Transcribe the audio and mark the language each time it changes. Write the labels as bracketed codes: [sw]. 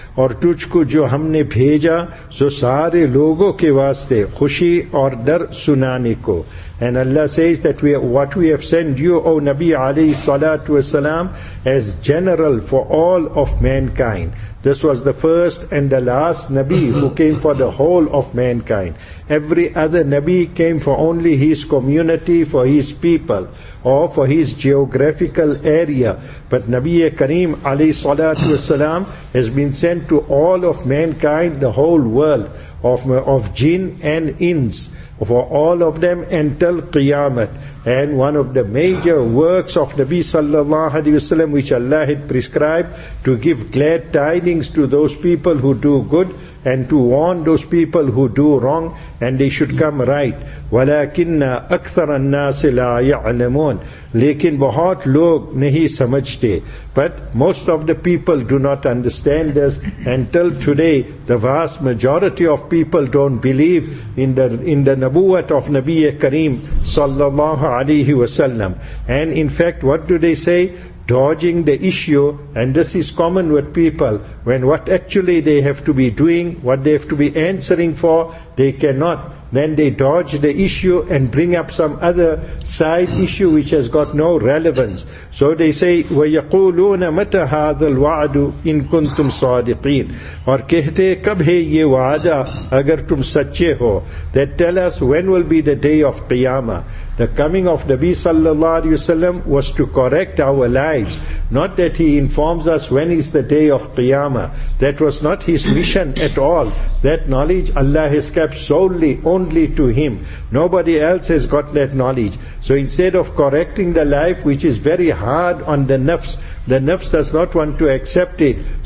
[ur] اور تجھ کو جو ہم نے بھیجا سو سارے لوگوں کے واسطے خوشی اور ڈر سنانے کو. [en] And Allah says that what we have sent you, O Nabi alayhi salatu wasalam, as general for all of mankind. This was the first and the last Nabi who came for the whole of mankind. Every other Nabi came for only his community, for his people, or for his geographical area. But Nabi Kareem alayhi salatu wasalam has been sent to all of mankind, the whole world of jinn and ins, for all of them until Qiyamah. And one of the major works of Nabi sallallahu alayhi wa sallam, which Allah had prescribed, to give glad tidings to those people who do good and to warn those people who do wrong, and they should come right. [ar] وَلَكِنَّ أَكْثَرَ النَّاسِ لَا يَعْلَمُونَ. [ur] لیکن بہت لوگ نہیں سمجھتے. [en] But most of the people do not understand this. Until today, the vast majority of people don't believe in the nabuwat of Nabi Kareem sallallahu alayhi wa sallam. And in fact, what do they say? Dodging the issue, and this is common with people, when what actually they have to be doing, what they have to be answering for, they cannot. Then they dodge the issue and bring up some other side issue which has got no relevance. So they say, [ar] وَيَقُولُونَ مَتَ هَذَا الْوَعْدُ إِن كُنْتُمْ صَادِقِينَ. [ur] اور کہتے کب ہے یہ وعدہ اگر تم سچے ہو. [en] That tell us, when will be the day of Qiyamah? The coming of Nabi sallallahu alayhi wa sallam was to correct our lives. Not that he informs us when is the day of Qiyamah. That was not his mission at all. That knowledge Allah has kept solely only to him. Nobody else has got that knowledge. So instead of correcting the life, which is very hard on the nafs does not want to accept it.